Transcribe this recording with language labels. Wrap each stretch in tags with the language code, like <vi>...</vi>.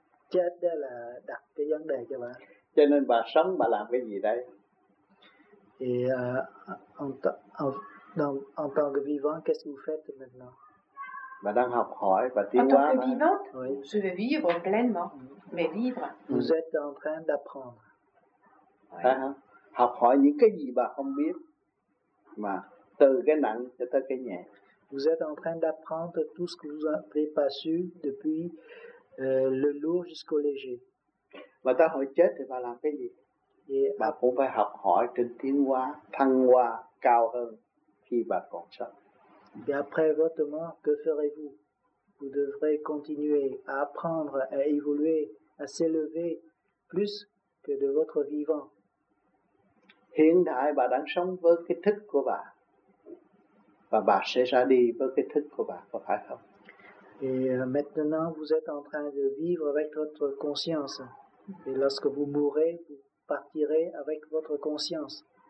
<vi>Chết đó là đặt cái vấn đề cho bà. Cho nên bà sống bà làm cái gì đây?</vi> <fr>Et en tant que vivant, qu'est-ce que vous faites maintenant?</fr> <vi>Bà đang học hỏi và tiến</vi> <fr>hóa. En tant que vivant, je vais vivre pleinement, mais vivre. Vous êtes en train d'apprendre.</fr> <vi>Học hỏi những cái gì bà không biết, mà từ cái nặng cho tới cái nhẹ.</vi> <fr>Vous êtes en train d'apprendre tout ce que vous avez pas su depuis. Le lourd jusqu'au léger.</fr> <vi>Mà ta hỏi chết thì bà làm cái gì? Bà cũng phải học hỏi trên tiến hóa, thăng hoa cao hơn khi bà còn sống.</vi> <fr>Et après votre mort, que ferez-vous? Vous devrez continuer à apprendre, à évoluer, à s'élever plus que de votre vivant.</fr> <vi>Hiện tại bà đang sống với cái thức của bà. Và bà sẽ ra đi với cái thức của bà, có phải không?</vi> <fr>Et maintenant, vous êtes en train de vivre avec votre conscience. Et lorsque vous mourrez, vous partirez avec votre conscience.</fr>